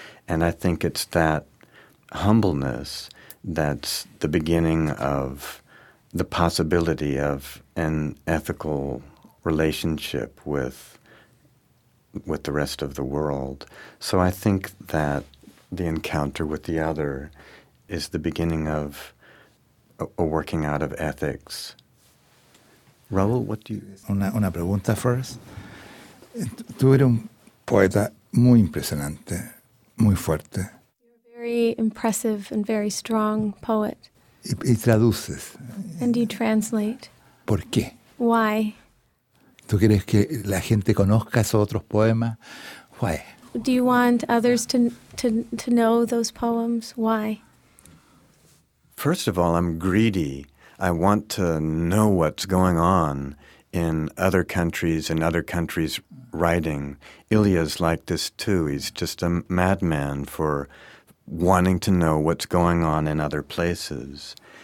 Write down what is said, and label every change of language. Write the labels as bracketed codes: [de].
[en] And I think it's that humbleness that's the beginning of the possibility of an ethical relationship with the rest of the world. So I think that the encounter with the other is the beginning of a working out of ethics. Raúl, what do you... [es] Una pregunta first. Tú eres un poeta muy impresionante, muy fuerte. [en] You're a very impressive and very strong poet. [es] Y traduces. [en] And you translate. [es] ¿Por qué? [en] Why? [es] ¿Tú quieres que la gente conozca esos otros poemas? [en] Why? Do you want others to know those poems? Why? First of all, I'm greedy. I want to know what's going on in other countries and other countries' writing. Ilya's like this too. He's just a madman for wanting to know what's going on in other places.